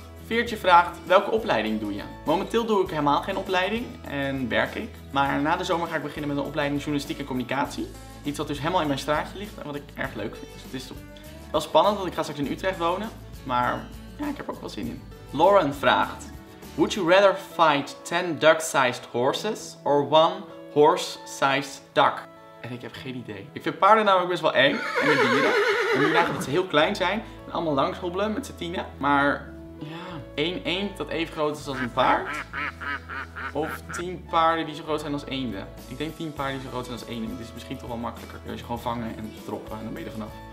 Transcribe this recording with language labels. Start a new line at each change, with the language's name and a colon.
Dutch: Veertje vraagt, welke opleiding doe je? Momenteel doe ik helemaal geen opleiding en werk ik. Maar na de zomer ga ik beginnen met een opleiding journalistiek en communicatie. Iets wat dus helemaal in mijn straatje ligt en wat ik erg leuk vind. Dus het is wel spannend, want ik ga straks in Utrecht wonen. Maar ja, ik heb er ook wel zin in. Lauren vraagt,
English: would you rather fight 10 duck-sized horses or 1 horse-sized duck?
Dutch: En ik heb geen idee. Ik vind paarden namelijk best wel eng en met dieren. En die dagen dat ze heel klein zijn en allemaal langs hobbelen met z'n tienen. Maar ja, één eend dat even groot is als een paard. Of 10 paarden die zo groot zijn als eenden. Ik denk 10 paarden die zo groot zijn als eenden. Het is misschien toch wel makkelijker. Als je gewoon vangen en droppen en dan ben je er vanaf.